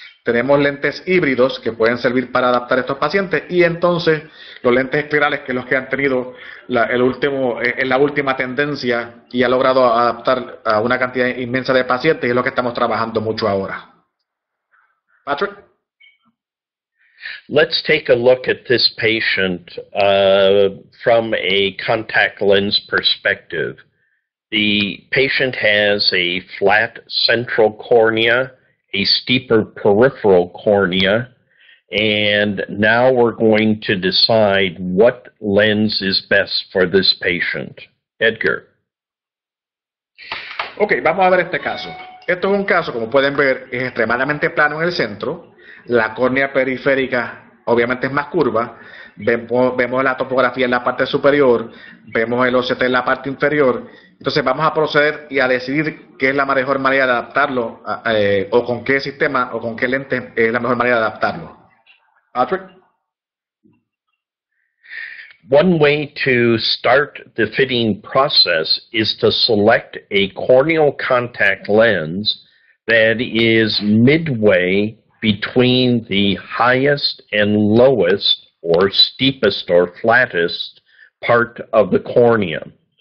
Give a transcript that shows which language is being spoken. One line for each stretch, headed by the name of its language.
Spanish: Tenemos lentes híbridos que pueden servir para adaptar a estos pacientes, y entonces los lentes esclerales, que es los que han tenido la última tendencia y ha logrado adaptar a una cantidad inmensa de pacientes, y es lo que estamos trabajando mucho ahora. Patrick.
English: Let's take a look at this patient from a contact lens perspective. The patient has a flat central cornea, a steeper peripheral cornea, and now we're going to decide what lens is best for this patient. Edgar.
Spanish: Okay, vamos a ver este caso. Esto es un caso, como pueden ver, es extremadamente plano en el centro. La córnea periférica obviamente es más curva, vemos la topografía en la parte superior, vemos el OCT en la parte inferior, entonces vamos a proceder y a decidir qué es la mejor manera de adaptarlo, o con qué sistema o con qué lente es la mejor manera de adaptarlo. Patrick.
English: One way to start the fitting process is to select a corneal contact lens that is midway between the highest and lowest, or steepest or flattest, part of the cornea.